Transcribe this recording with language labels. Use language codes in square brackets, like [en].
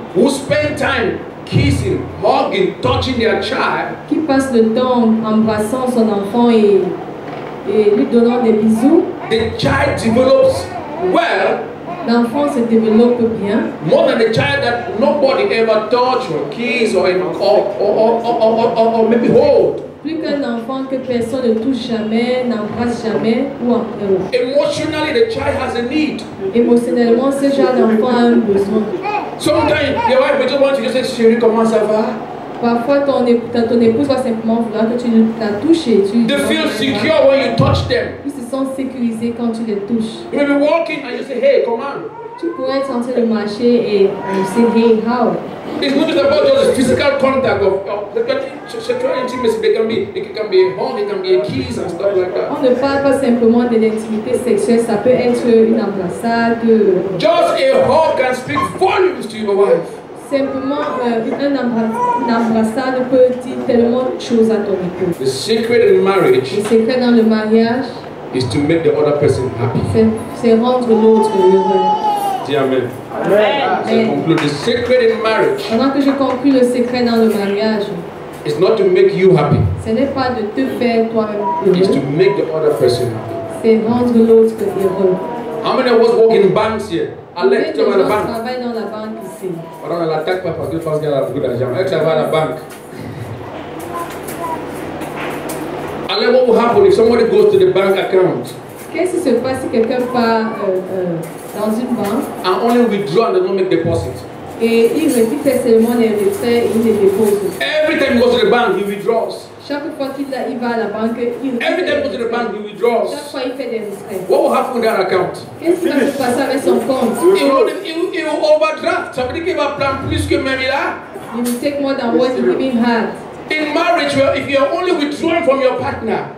[en] who spend time kissing, hugging, touching their child, [fr] qui passe le temps embrassant son enfant et lui donnant des bisous, [en] the child develops well. [fr] L'enfant se développe bien. [en] More than the child that nobody ever touch or kiss or even call or maybe hold. [fr] Plus qu'un enfant que personne ne touche jamais, n'embrasse jamais ou en pleure. [en] Emotionally, the child has a need. [fr] Émotionnellement, ce genre d'enfant a un besoin. [en] Sometimes your wife will just want to just say, [fr] chérie, comment ça va? Parfois, ton épouse va simplement vouloir que tu la touches. [en] They feel secure when you touch them. [fr] Ils se sentent sécurisés quand tu les touches. [en] You may be walking and you say, [fr] hey, comment? Tu pourrais tenter de marcher et [en] you say, hey, how? It's not just about just physical contact of sexual intimacy. It can be a hug, it can be a kiss and stuff like that. [fr] On ne parle pas simplement de l'intimité sexuelle. Ça peut être une embrassade. [en] Just a hug can speak volumes to your wife. [fr] Simplement une embrassade peut dire tellement de choses à ton époux. [en] The secret in marriage. [fr] Le secret dans le mariage. [en] Is to make the other person happy. [fr] C'est rendre l'autre heureux. Amen. Amen. [en] Amen. The secret in marriage. [fr] Pendant que je conclue le secret dans le mariage. [en] It's not to make you happy. [fr] Ce n'est pas de te faire toi-même heureux. [en] It's to make the other person happy. [fr] C'est rendre l'autre heureux. [en] How many of us work in banks here? [fr] Alex, tu vas à la banque. Combien de gens travaillent dans la banque ici? On a l'attaque pas parce que je pense qu'il y a beaucoup d'argent. Alex, tu vas à la banque. [en] Alex, what will happen if somebody goes to the bank account? [fr] Qu'est-ce qui se passe si quelqu'un part dans une banque? [en] And only withdraw and not make deposit. [fr] Et il retire seulement les retraits et les dépôts. [en] Every time he goes to the bank, he withdraws. [fr] Chaque fois qu'il va à la banque, il. [en] Every time he goes to the bank, he withdraws. [fr] Chaque fois il fait des retraits. [en] What will happen with that account? [fr] Qu'est-ce qui va se passer avec son compte? Il [en] overdraft. [fr] Ça veut dire qu'il va prendre plus que même là. Il va [en] take more than what he even had. In marriage, well, if you are only withdrawing from your partner,